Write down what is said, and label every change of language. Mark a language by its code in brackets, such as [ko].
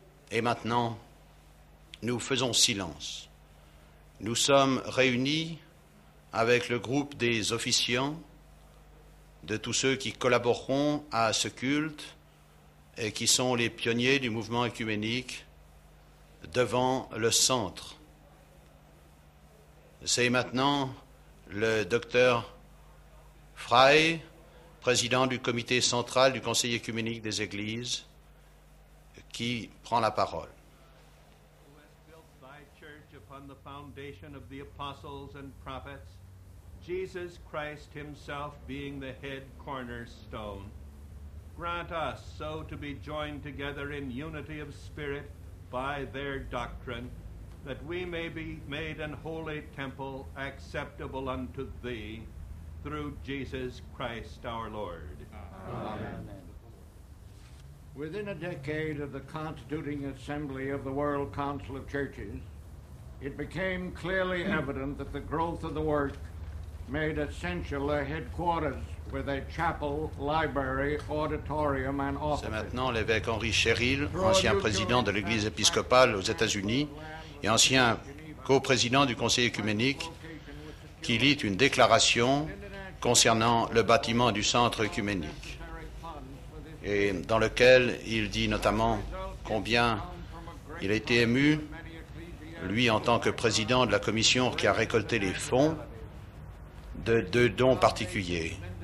[fr] Et maintenant, nous faisons silence. Nous sommes réunis avec le groupe des officiants, de tous ceux qui collaboreront à ce culte et qui sont les pionniers du mouvement œcuménique devant le centre. C'est maintenant le docteur Frey, président du comité central du Conseil œcuménique des Églises, qui prend la parole. [en] Who has built thy church upon the foundation of the apostles and prophets, Jesus Christ himself being the head cornerstone. Grant us so to be joined together in unity of spirit by their doctrine, that we may be made an holy temple acceptable unto thee, through Jesus Christ our Lord. Amen. Within a decade of the Constituting Assembly of the World Council of Churches, it became clearly evident that the growth of the work made essential a headquarters with a chapel, library, auditorium and office. [fr] C'est maintenant l'évêque Henri Cheryl, ancien président de l'Église épiscopale aux États-Unis et ancien co-président du Conseil œcuménique, qui lit une déclaration concernant le bâtiment du centre œcuménique, et dans lequel il dit notamment combien il a été ému, lui en tant que président de la commission qui a récolté les fonds, de deux dons particuliers.